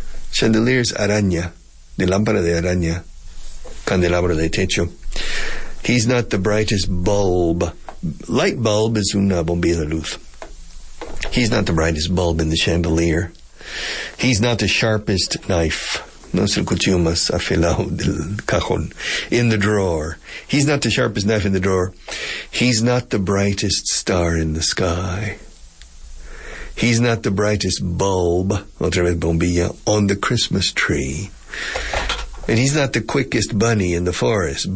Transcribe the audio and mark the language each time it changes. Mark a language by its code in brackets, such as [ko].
[en] Chandelier is [es] araña. De lámpara de araña. Candelabro de techo. [en] He's not the brightest bulb. Light bulb is [es] una bombilla de luz. [en] He's not the brightest bulb in the chandelier. He's not the sharpest knife. [es] No es el cuchillo más afilado del cajón. [en] In the drawer. He's not the sharpest knife in the drawer. He's not the brightest star in the sky. He's not the brightest bulb, [es] otra vez bombilla, [en] on the Christmas tree. And he's not the quickest bunny in the forest.